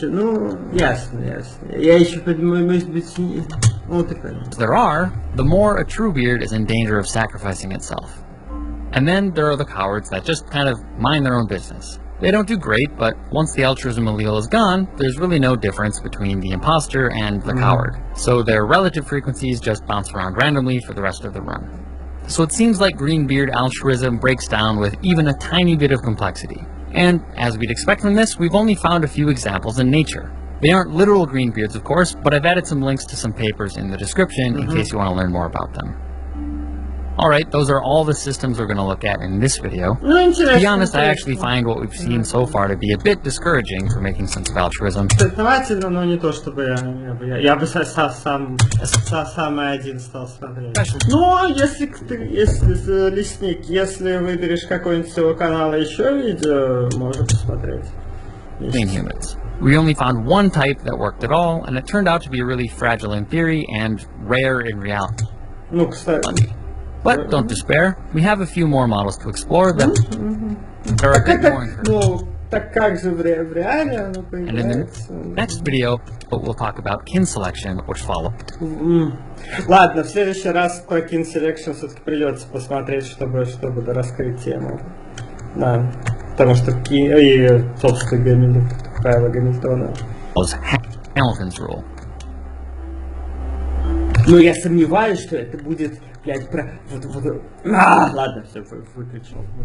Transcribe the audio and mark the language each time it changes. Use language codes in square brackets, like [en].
[ru] Ну, ясно, ясно. Я еще понимаю, может быть, не... Ну, ты понял. [en] There are, the more a Truebeard is in danger of sacrificing itself. And then there are the cowards that just kind of mind their own business. They don't do great, but once the altruism allele is gone, there's really no difference between the imposter and the coward. So their relative frequencies just bounce around randomly for the rest of the run. So it seems like Greenbeard altruism breaks down with even a tiny bit of complexity. And as we'd expect from this, we've only found a few examples in nature. They aren't literal Greenbeards, of course, but I've added some links to some papers in the description in case you want to learn more about them. Alright, those are all the systems we're going to look at in this video. [ru] Ну, интересно. [en] To be honest, I actually find what we've seen so far to be a bit discouraging for making sense of altruism. [ru] Соревновательно, но не то, чтобы я бы сам один стал смотреть. Но если выберешь какой-нибудь своего канала еще видео, можешь посмотреть. [en] Same humans. We only found one type that worked at all, and it turned out to be really fragile in theory and rare in reality. [ru] Ну, кстати... [en] Funny. But don't despair, we have a few more models to explore, but there are a bit more And in the next video, we'll talk about kin selection, which followed. [ru] Ладно, в следующий раз про kin selection все-таки придется посмотреть, чтобы раскрыть тему. Да, потому что правила Гамильтона. [en] Hamilton's rule. [ru] Ну, я сомневаюсь, что это будет... Блять, про... Ладно, все, выключил.